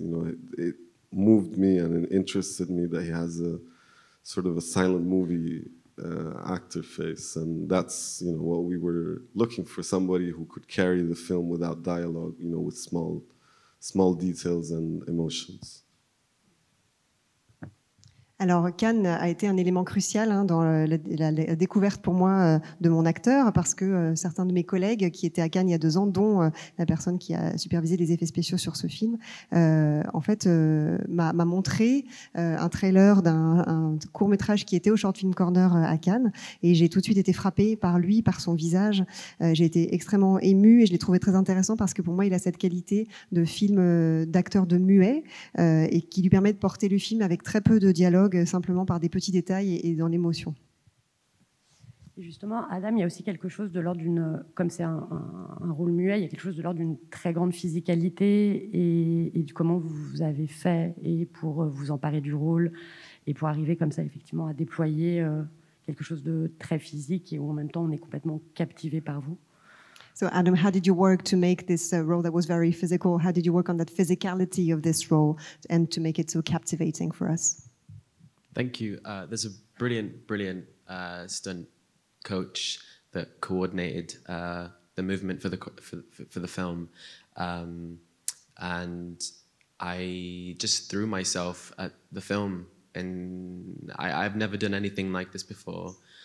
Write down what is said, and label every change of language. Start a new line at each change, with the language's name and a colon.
English: You know, it moved me and it interested me that he has a sort of a silent movie actor face. And that's, you know, what we were looking for, somebody who could carry the film without dialogue, you know, with small details and emotions.
French: Alors, Cannes a été un élément crucial hein, dans la découverte pour moi de mon acteur, parce que certains de mes collègues qui étaient à Cannes il y a 2 ans, dont la personne qui a supervisé les effets spéciaux sur ce film, m'a montré un trailer d'un court-métrage qui était au Short Film Corner à Cannes, et j'ai tout de suite été frappée par lui, par son visage. J'ai été extrêmement émue et je l'ai trouvé très intéressant parce que pour moi, il a cette qualité de film d'acteur de muet et qui lui permet de porter le film avec très peu de dialogue, simplement par des petits détails et dans l'émotion. Justement, Adam, il y a aussi quelque chose de l'ordre d'une, comme c'est un rôle muet, il y a quelque chose de l'ordre d'une très grande physicalité et du comment vous avez fait et pour vous emparer du rôle et pour arriver comme ça effectivement à déployer quelque chose de très physique et où en même temps on est complètement captivé par vous.
English: So Adam, how did you work to make this role that was very physical? How did you work on that physicality of this role and to make it so captivating for us? Thank you. There's a brilliant stunt coach that coordinated the movement for the film, and I just threw myself at the film, and I've never done anything like this before.